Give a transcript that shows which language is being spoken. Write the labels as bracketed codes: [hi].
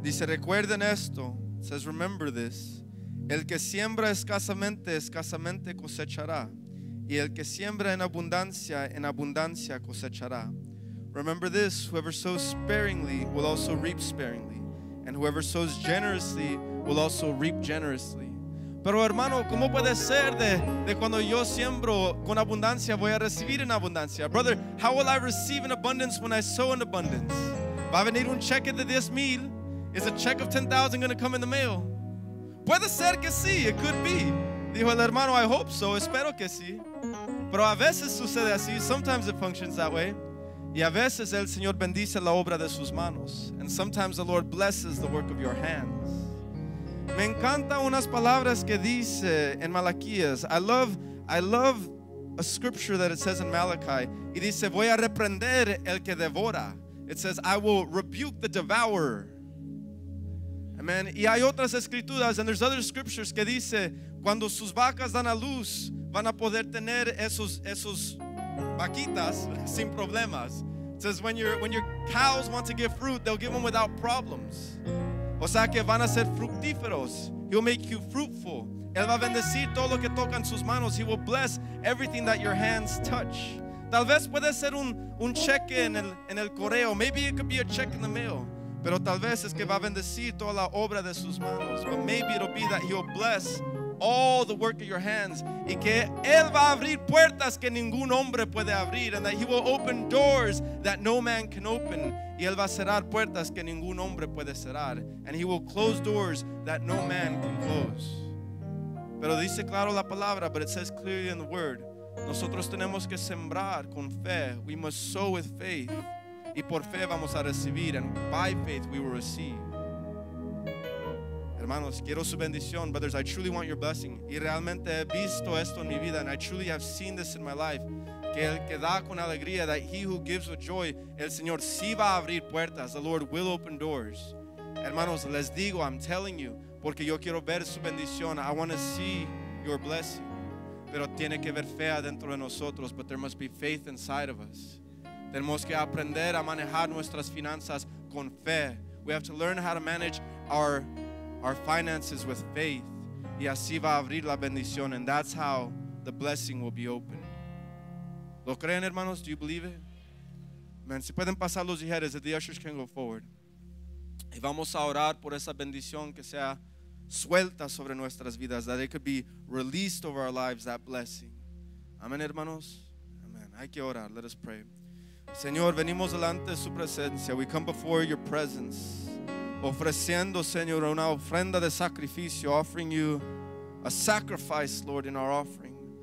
[es] Dice, recuerden esto. [en] It says, remember this. [es] El que siembra escasamente, escasamente cosechará. Y el que siembra en abundancia cosechará. [en] Remember this, whoever sows sparingly will also reap sparingly. And whoever sows generously will also reap generously. [es] Pero hermano, ¿cómo puede ser de cuando yo siembro con abundancia, voy a recibir en abundancia? [en] Brother, how will I receive in abundance when I sow in abundance? [es] Va a venir un cheque de 10,000. [en] Is a check of 10,000 going to come in the mail? [es] Puede ser que sí, [en] it could be. [es] Dijo el hermano, [en] I hope so, [es] espero que sí. Pero a veces sucede así, [en] sometimes it functions that way. [es] Y a veces el Señor bendice la obra de sus manos. [en] And sometimes the Lord blesses the work of your hands. [es] Me encanta unas palabras que dice en Malaquías. [en] I love a scripture that it says in Malachi. [es] Y dice, voy a reprender el que devora. [en] It says, I will rebuke the devourer. [es] Amen. Y hay otras escrituras, [en] and there's other scriptures [es] que dice, cuando sus vacas dan a luz, van a poder tener esos vaquitas sin problemas. [en] It says, when your cows want to give fruit, they'll give them without problems. [es] O sea que van a ser fructíferos. [en] He'll make you fruitful. [es] Él va a bendecir todo lo que tocan sus manos. [en] He will bless everything that your hands touch. [es] Tal vez puede ser un cheque en el correo. [en] Maybe it could be a check in the mail. [es] Pero tal vez es que va a bendecir toda la obra de sus manos. [en] But maybe it'll be that he'll bless all the work of your hands. [es] Y que él va a abrir puertas que ningún hombre puede abrir. [en] And that he will open doors that no man can open. [es] Y él va a cerrar puertas que ningún hombre puede cerrar. [en] And he will close doors that no man can close. [es] Pero dice claro la palabra, [en] but it says clearly in the word. [es] Nosotros tenemos que sembrar con fe. [en] We must sow with faith. [es] Y por fe vamos a recibir, [en] and by faith we will receive. [es] Hermanos, quiero su bendición. [en] Brothers, I truly want your blessing. [es] Y realmente he visto esto en mi vida, [en] and I truly have seen this in my life. [es] Que el que da con alegría, [en] that he who gives with joy, [es] el Señor sí va a abrir puertas. [en] The Lord will open doors. [es] Hermanos, les digo, [en] I'm telling you, [es] porque yo quiero ver su bendición. [en] I want to see your blessing. [es] Pero tiene que haber fe adentro de nosotros, [en] but there must be faith inside of us. [es] Tenemos que aprender a manejar nuestras finanzas con fe. [en] We have to learn how to manage our finances with faith. [es] Y así va a abrir la bendición, [en] and that's how the blessing will be opened. [es] ¿Lo creen, hermanos? [en] Do you believe it? [es] Man, si pueden pasar los ijeres, [en] the ushers can go forward. [es] Y vamos a orar por esa bendición que sea suelta sobre nuestras vidas, [en] that it could be released over our lives, that blessing. [es] Amén, hermanos. [en] Amen. [es] Hay que orar. [en] Let us pray. [es] Señor, venimos delante de su presencia. [en] We come before your presence. [es] Ofreciendo, Señor, una ofrenda de sacrificio. [en] Offering you a sacrifice, Lord, in our offering.